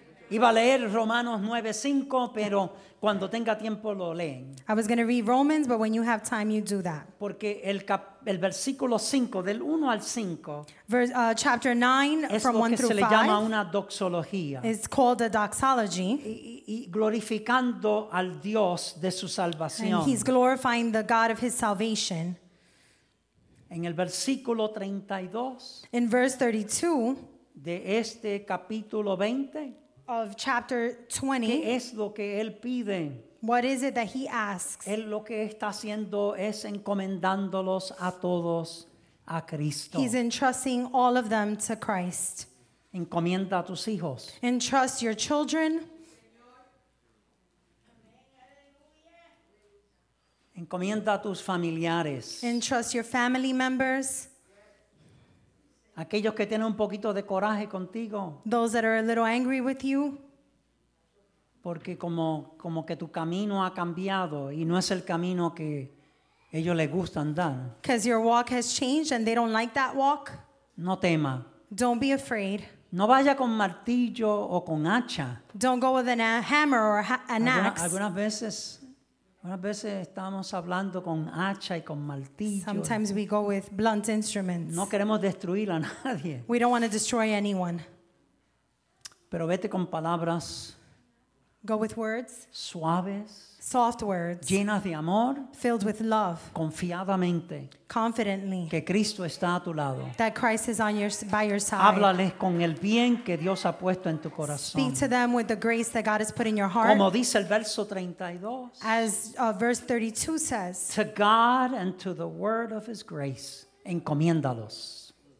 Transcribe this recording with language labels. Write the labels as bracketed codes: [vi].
[es] Iba a leer Romanos 9:5, pero cuando tenga tiempo lo leen. [en] I was going to read Romans, but when you have time, you do that. [es] Porque el versículo 5, del 1 al 5, [en] chapter 9, from 1 through 5, [es] es lo que se le llama una doxología. [en] It's called a doxology. [es] Y glorificando al Dios de su salvación. [en] And he's glorifying the God of his salvation. [es] En el versículo 32, [en] in verse 32, [es] de este capítulo 20, [en] of chapter 20. [es] ¿Qué es lo que él pide? [en] What is it that he asks? [es] Él lo que está haciendo es encomendándolos a todos a Cristo. [en] He's entrusting all of them to Christ. [es] Encomienda a tus hijos. [en] Entrust your children. [es] Encomienda a tus familiares. [en] Entrust your family members. [es] Aquellos que tienen un poquito de coraje contigo. [en] Those that are a little angry with you. [es] Porque como que tu camino ha cambiado y no es el camino que ellos les gusta andar. [en] Because your walk has changed and they don't like that walk. [es] No tema. [en] Don't be afraid. [es] No vaya con martillo o con hacha. [en] Don't go with a hammer or an axe. [es] Algunas veces estamos hablando con hacha y con martillo. [en] Sometimes we go with blunt instruments. [es] No queremos destruir a nadie. [en] We don't want to destroy anyone. [es] Pero vete con palabras. [en] Go with words. [es] Suaves. [en] Soft words. [es] Llenas de amor. [en] Filled with love. [es] Confiadamente. [en] Confidently. [es] Que Cristo está a tu lado. [en] That Christ is on by your side. [es] Háblales con el bien que Dios ha puesto en tu corazón. [en] Speak to them with the grace that God has put in your heart. [es] Como dice el verso 32. [en] As verse 32 says. To God and to the word of his grace, [es] encomiéndalos.